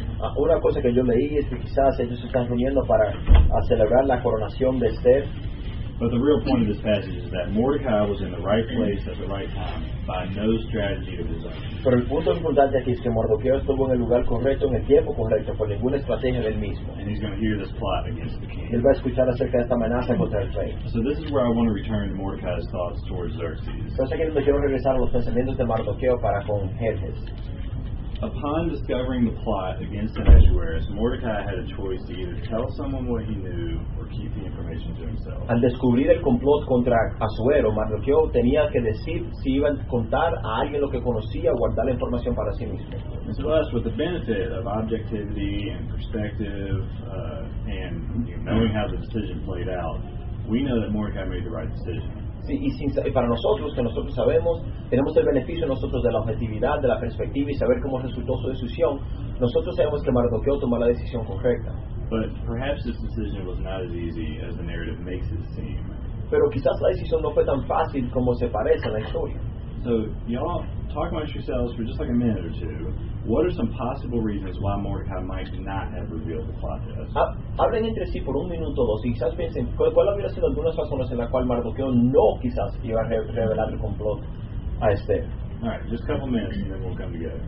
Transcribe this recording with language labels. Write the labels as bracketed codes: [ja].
[es] Una cosa que yo leí es que quizás ellos se están reuniendo para celebrar la coronación de Esther. [en] But the real point of this passage is that Mordecai was in the right place at the right time by no strategy of his own. [es] Pero el punto importante aquí es que Mordecai estuvo en el lugar correcto en el tiempo correcto por ninguna estrategia del mismo. [en] And he's going to hear this plot against the king. [es] Él va a escuchar acerca de esta amenaza contra el rey. [en] So this is where I want to return to Mordecai's thoughts towards Xerxes. [es] Entonces aquí es donde quiero regresar a los pensamientos de Mordecai para con Jerjes. [en] Upon discovering the plot against Ahasuerus, Mordecai had a choice to either tell someone what he knew or keep the information to himself. [es] Al descubrir el complot contra Asuero, Mardoqueo tenía que decir si iba a contar a alguien lo que conocía o guardar la información para sí mismo. [en] And so us, with the benefit of objectivity and perspective, and knowing how the decision played out, we know that Mordecai made the right decision. [es] Y para nosotros, que nosotros sabemos, tenemos el beneficio nosotros de la objetividad, de la perspectiva y saber cómo resultó su decisión, nosotros sabemos que Mardoqueo tomó la decisión correcta. Pero quizás la decisión no fue tan fácil como se parece a la historia. [en] So, [es] y'all [en] talk amongst yourselves for just like a minute or two. What are some possible reasons why Mordecai might not have revealed the plot to us? [es] Hablen entre sí por un minuto o dos y quizás piensen cuál habría sido algunas razones en la cual Mardoqueo no quizás iba a revelar el complot a Esther. [en] All right, just a couple minutes and then we'll come together.